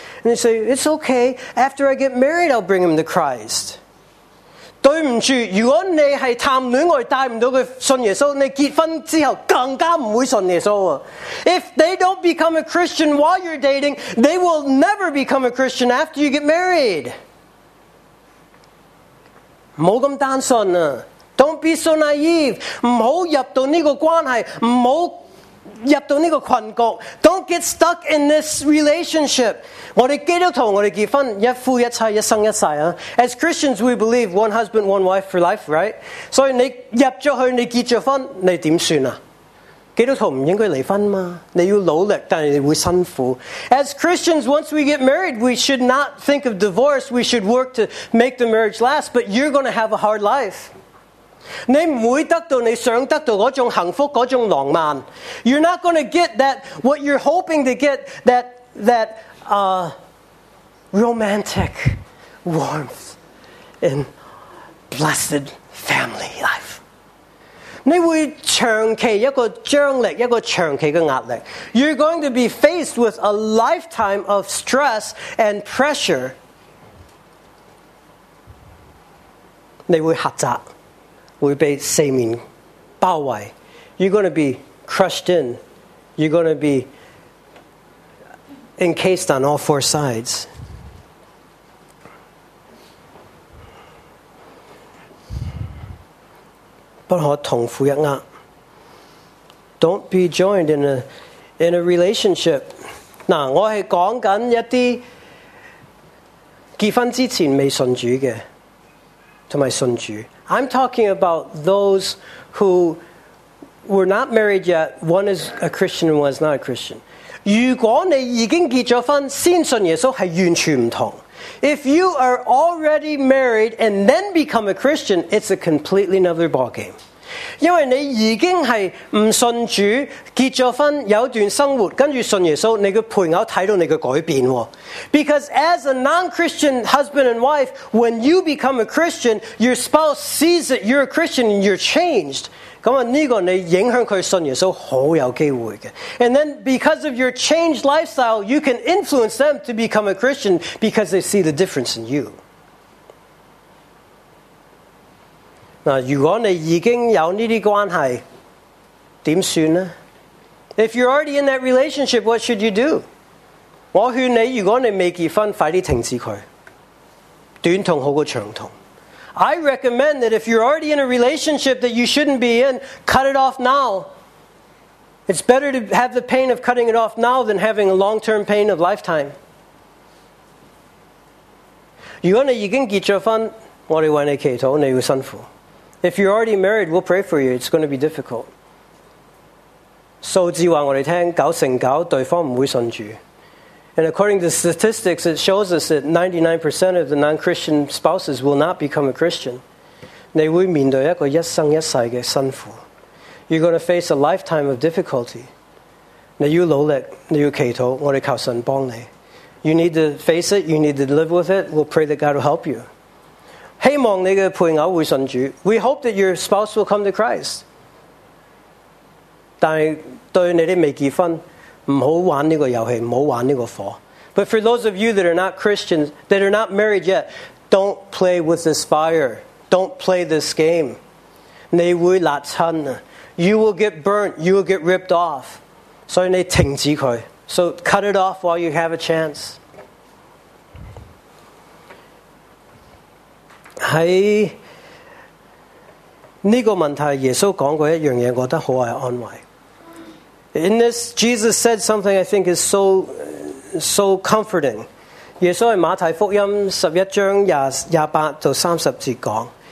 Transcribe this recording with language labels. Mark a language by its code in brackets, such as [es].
[en] And they say it's okay after I get married I'll bring him to Christ. [zh] 对不住，如果你是谈恋爱带不到他信耶稣，你结婚之后更加不会信耶稣。 [en] If they don't become a Christian while you're dating, they will never become a Christian after you get married. [zh] 不要这么单纯啊， [en] Don't be so naive. [zh] 不要入到这个关系，不要入到呢个困局。 [en] Don't get stuck in this relationship. [zh] 我哋基督徒，我哋结婚一夫一妻，一生一世啊。 [en] As Christians, we believe one husband, one wife for life, right? [zh] 所以你入咗去，你结咗婚，你点算啊？基督徒唔应该离婚嘛？你要努力，但系你会辛苦。 [en] As Christians, once we get married, we should not think of divorce. We should work to make the marriage last. But you're going to have a hard life. [zh] 你唔会得到你想得到嗰种幸福，嗰种浪漫。 [en] You're not going to get that what you're hoping to get that romantic warmth in blessed family life. [zh] 你会长期一个张力，一个长期嘅压力。 [en] You're going to be faced with a lifetime of stress and pressure. [zh] 你会狭窄。会被四面包围。 [en] You're going to be crushed in. You're going to be encased on all four sides. [zh] 不可同苦一厄。 [en] Don't be joined in a relationship. [zh] 嗱，我是讲紧一啲结婚之前未信主嘅，同埋信主。 [en] I'm talking about those who were not married yet. One is a Christian and one is not a Christian. [zh] 如果你已经结咗婚先信耶稣是完全不同。 [en] If you are already married and then become a Christian, it's a completely another ballgame. [zh] 因为你已经是不信主，结咗婚有一段生活，跟住信耶稣，你的配偶看到你的改变。 [en] Because as a non-Christian husband and wife, when you become a Christian, your spouse sees that you're a Christian and you're changed. [zh] 咁啊，呢个你影响佢信耶稣好有机会嘅。 [en] And then because of your changed lifestyle, you can influence them to become a Christian because they see the difference in you. [zh] 嗱，如果你已经有呢啲关系，点算呢 [en] ？If you're already in that relationship, what should you do? [zh] 我劝你，如果你未结婚，快啲停止佢。短痛好过长痛。 [en] I recommend that if you're already in a relationship that you shouldn't be in, cut it off now. It's better to have the pain of cutting it off now than having a long-term pain of lifetime. [zh] 如果你已经结咗婚，我哋为你祈祷，你会辛苦。 [en] If you're already married, we'll pray for you. It's going to be difficult. [zh] 数字话我哋听，九成九对方唔会信主。 [en] And according to statistics, it shows us that 99% of the non-Christian spouses will not become a Christian. [zh] 你会面对一个一生一世的辛苦。 [en] You're going to face a lifetime of difficulty. [zh] 你要努力，你要祈祷，我们靠神帮你。 [en] You need to face it, you need to live with it. We'll pray that God will help you. [zh] 希望你的配偶会信主。 [en] We hope that your spouse will come to Christ. [zh] 但对你的未结婚，唔好玩呢个游戏，唔好玩呢个火。 [en] But for those of you that are not Christians, that are not married yet, don't play with this fire. Don't play this game. [zh] 你会辣亲啊。 [en] You will get burnt. You will get ripped off. [zh] 所以你停止佢。 [en] So cut it off while you have a chance. [zh] 喺呢个问题，耶稣讲过一样嘢，我觉得好系安慰。 [en] In this, Jesus said something I think is so comforting. [zh] 耶稣在马太福音十一章廿八到三十节讲。